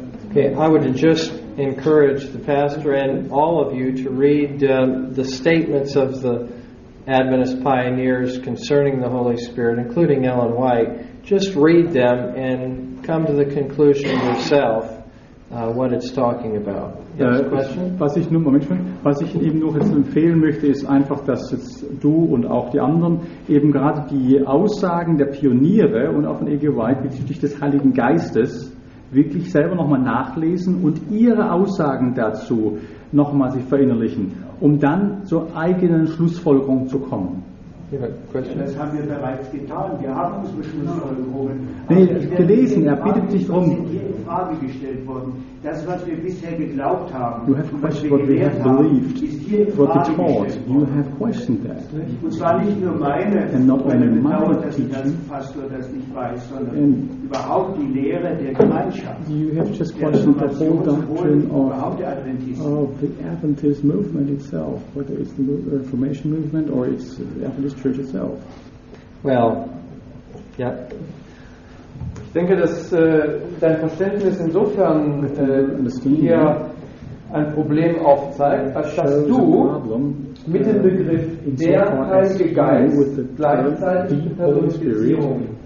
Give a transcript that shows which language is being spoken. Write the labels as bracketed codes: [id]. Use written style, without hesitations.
[en] Okay, I would just encourage the pastor and all of you to read the statements of the Adventist pioneers concerning the Holy Spirit, including Ellen White. Just read them and come to the conclusion yourself what it's talking about. [de] Was ich eben noch jetzt empfehlen möchte, ist einfach, dass jetzt du und auch die anderen eben gerade die Aussagen der Pioniere und auch von E.G. White bezüglich des Heiligen Geistes wirklich selber nochmal nachlesen und ihre Aussagen dazu nochmal sich verinnerlichen, um dann zur eigenen Schlussfolgerung zu kommen. Das haben wir bereits getan. Wir haben unsere Schlussfolgerungen. Nee, gelesen, er bittet dich darum. Frage gestellt worden. Das, was wir bisher geglaubt haben, [en] you have questioned what we have believed, what we taught. You have questioned that. [de] Und zwar nicht nur meine, [en] and not only my [de] teaching, sondern überhaupt die Lehre der Gemeinschaft. [en] You have just questioned the whole doctrine of the Adventist movement itself, whether it's the Reformation movement or it's the Adventist Church itself. Well, yeah. [de] Ich denke, dass dein Verständnis insofern hier ein Problem aufzeigt, als dass du mit dem Begriff der Heilige Geist gleichzeitig Personifizierung.